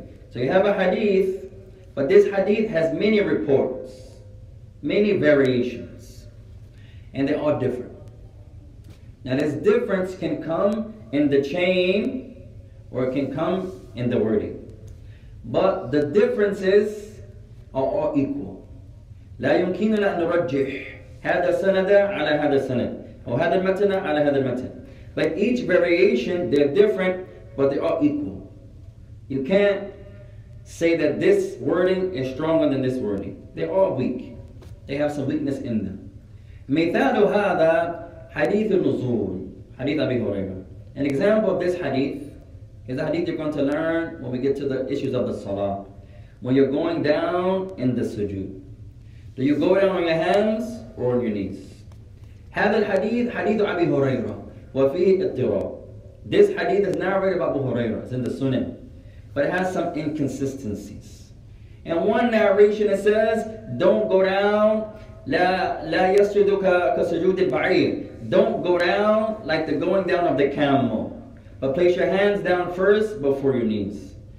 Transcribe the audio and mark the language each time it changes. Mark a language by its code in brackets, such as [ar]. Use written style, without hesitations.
[en] So you have a hadith, but this hadith has many reports, many variations, and they are different. Now this difference can come in the chain or it can come in the wording, but the differences are all equal. [ar] لا يمكننا أن نرجح هذا السند على هذا السند أو هذا المتن على هذا المتن. [en] But each variation, they're different, but they are equal. You can't say that this wording is stronger than this wording. They are weak. They have some weakness in them. [ar] مثال هذا حديث النزول حديث أبي هريرة. [en] An example of this hadith is the hadith you're going to learn when we get to the issues of the salah. When you're going down in the sujood. Do you go down on your hands or on your knees? [ar] هذا الحديث حديث أبي هريرة وفيه اضطراب. [en] This hadith is narrated by Abu Hurairah, it's in the Sunan, but it has some inconsistencies. In one narration it says, don't go down, [ar] لَا يَسْجُدُكَ كَسُجُودِ الْبَعِيرِ. [en] Don't go down like the going down of the camel, but place your hands down first before your knees.